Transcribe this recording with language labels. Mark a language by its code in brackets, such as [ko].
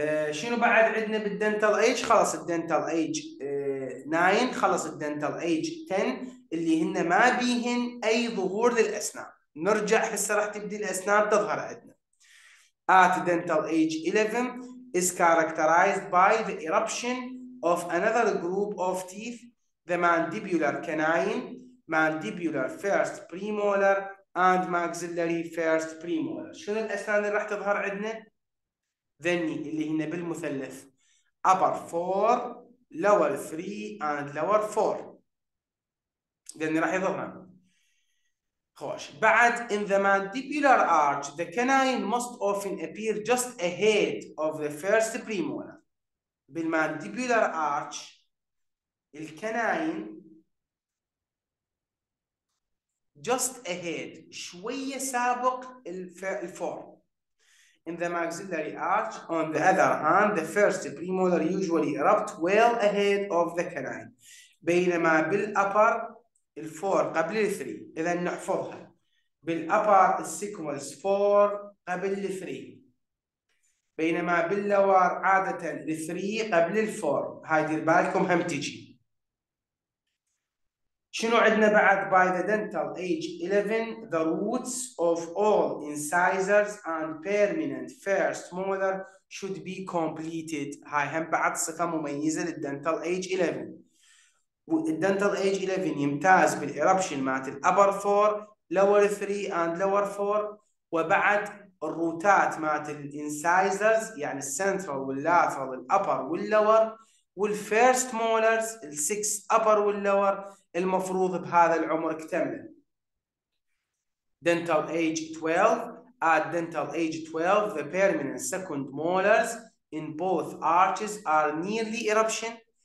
[ar] شنو بعد عندنا بالدنتال ايج؟ خلص الدنتال ايج 9، خلص الدنتال ايج 10 اللي هن ما بيهن اي ظهور للاسنان. نرجع هسه راح تبدي الاسنان تظهر عندنا. [en] At dental age 11 is characterized by the eruption of another group of teeth, the mandibular canine, mandibular first premolar, and maxillary first premolar. [ar] شنو الاسنان اللي راح تظهر عندنا؟ ذني اللي هن بالمثلث [en] upper 4 lower 3 and lower 4 [ar] ذني راح يظهرن. خوش. [en] بعد in the mandibular arch the canine must often appear just ahead of the first premolar. [ar] بالmandibular arch الكناين [en] just ahead [ar] شوية سابق الفور. [en] In the maxillary arch, on the other hand, the first premolar usually erupt well ahead of the canine. [ar] بينما بالأبر الفور قبل الثري. إذا نحفظها. بالأبر السيكوالز فور قبل الثري. بينما باللور عادة الثري قبل الفور. هاي دير بالكم هم تجي. شنو عندنا بعد؟ [en] By the dental age 11, the roots of all incisors and permanent first molar should be completed. [ar] هاي هم بعد صفة مميزة للدنتال age 11. الدنتال age 11 يمتاز بالإربشن مات الأبر 4, [en] lower 3 and lower 4 [ar] وبعد الروتات مات الانسايزرز يعني السنترال واللاترال الأبر واللور والفيرست مولرز السكس أبر واللور المفروض بهذا العمر اكتمل. [en] Dental age 12. At dental age 12, the permanent second molars in both arches are nearly eruption.